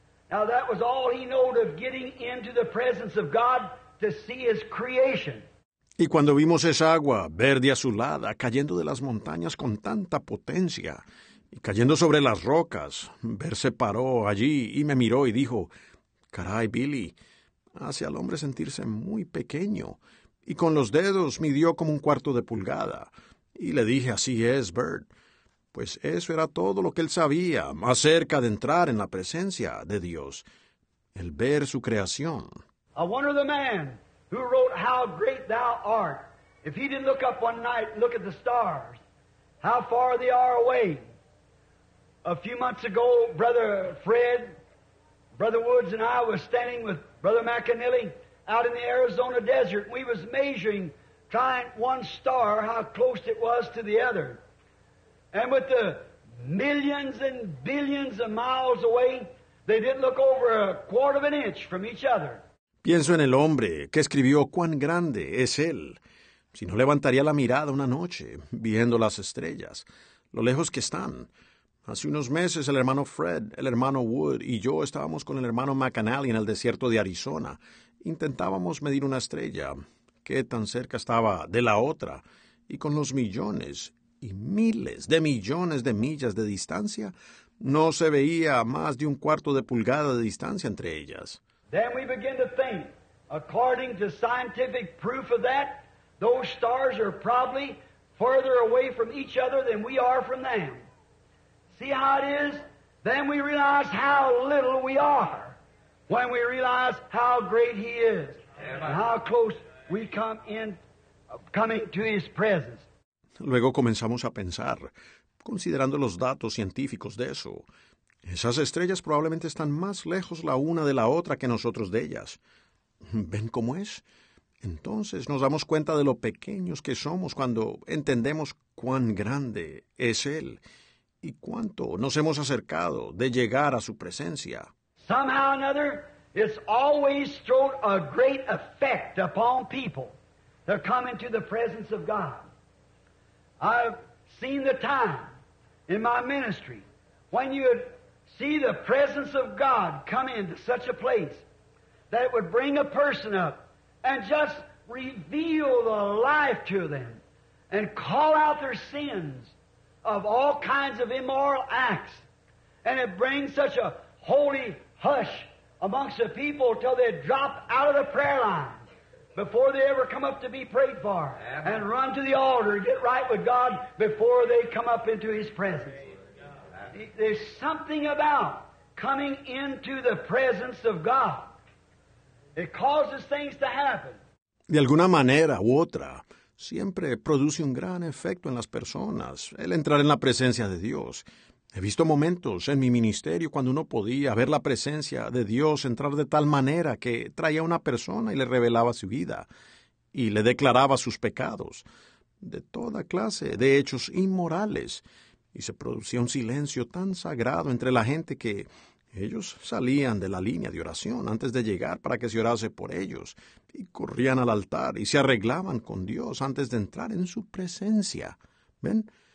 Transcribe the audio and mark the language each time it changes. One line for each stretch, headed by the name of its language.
English: Now, that was all he knowed of getting into the presence of God to see his creation.
Spanish: Y cuando vimos esa agua verde azulada cayendo de las montañas con tanta potencia y cayendo sobre las rocas, Bert se paró allí y me miró y dijo, "Caray, Billy, hace al hombre sentirse muy pequeño." Y con los dedos midió como un cuarto de pulgada. Y le dije, "Así es, Bert." Pues eso era todo lo que él sabía acerca de entrar en la presencia de Dios, el ver su creación.
English: I wonder the man who wrote "How great thou art," if he didn't look up one night and look at the stars, how far they are away. A few months ago, Brother Fred, Brother Woods and I was standing with Brother McAnally out in the Arizona desert. We was measuring, trying one star, how close it was to the other. And with the millions and billions of miles away, they didn't look over a quarter of an inch from each other.
Spanish: Pienso en el hombre que escribió cuán grande es él. Si no levantaría la mirada una noche, viendo las estrellas, lo lejos que están. Hace unos meses, el hermano Fred, el hermano Wood y yo estábamos con el hermano McAnally en el desierto de Arizona. Intentábamos medir una estrella, qué tan cerca estaba de la otra, y con los millones y miles de millones de millas de distancia, no se veía más de un cuarto de pulgada de distancia entre ellas.
English: Then we begin to think, according to scientific proof of that, those stars are probably further away from each other than we are from them. See how it is? Then we realize how little we are when we realize how great He is and how close we come in, coming to His presence.
Spanish: Luego comenzamos a pensar, considerando los datos científicos de eso. Esas estrellas probablemente están más lejos la una de la otra que nosotros de ellas. ¿Ven cómo es? Entonces nos damos cuenta de lo pequeños que somos cuando entendemos cuán grande es Él y cuánto nos hemos acercado de llegar a su presencia.
English: Somehow or another, it's always thrown a great effect upon people that come into the presence of God. I've seen the time in my ministry when you would see the presence of God come into such a place that it would bring a person up and just reveal the life to them and call out their sins of all kinds of immoral acts. And it brings such a holy hush amongst the people till they drop out of the prayer line before they ever come up to be prayed for, and run to the altar and get right with God before they come up into His presence. There's something about coming into the presence of God. It causes things to happen.
Spanish: De alguna manera u otra, siempre produce un gran efecto en las personas el entrar en la presencia de Dios. He visto momentos en mi ministerio cuando uno podía ver la presencia de Dios entrar de tal manera que traía a una persona y le revelaba su vida y le declaraba sus pecados, de toda clase de hechos inmorales, y se producía un silencio tan sagrado entre la gente que ellos salían de la línea de oración antes de llegar para que se orase por ellos y corrían al altar y se arreglaban con Dios antes de entrar en su presencia. ¿Ven?